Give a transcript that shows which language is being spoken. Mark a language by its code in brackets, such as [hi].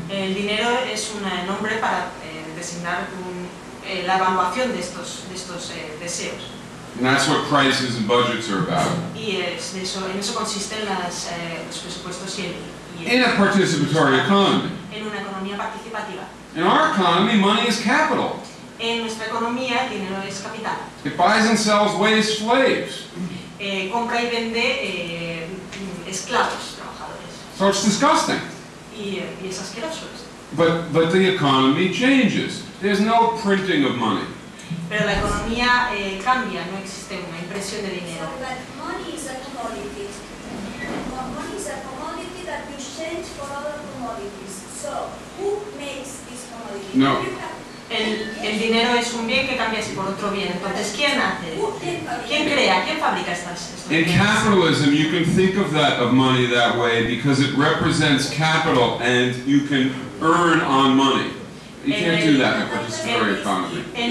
[es] El dinero es un nombre para designar la evaluación de estos deseos. [en] And that's what prices and budgets are about. [es] Y en eso consisten los presupuestos y el [en] in a participatory economy. [es] En una economía participativa. [en] In our economy, money is capital. [es] En nuestra economía, el dinero es capital. [en] It buys and sells wage slaves. [es] Compra y vende esclavos, trabajadores. [en] So it's disgusting. [es] Y es asqueroso. [en] But the economy changes. There's no printing of money. [es] Pero la economía cambia, no existe una impresión de dinero. [en] But money is a commodity. Money is a commodity that you change for other commodities. So who makes this commodity? [es] No. El dinero es un bien que cambias por otro bien. Entonces, ¿quién hace? ¿Quién crea? ¿Quién fabrica estas cosas? [en] In capitalism, you can think of that of money that way because it represents capital and you can earn on money. You can't do that in a participatory economy.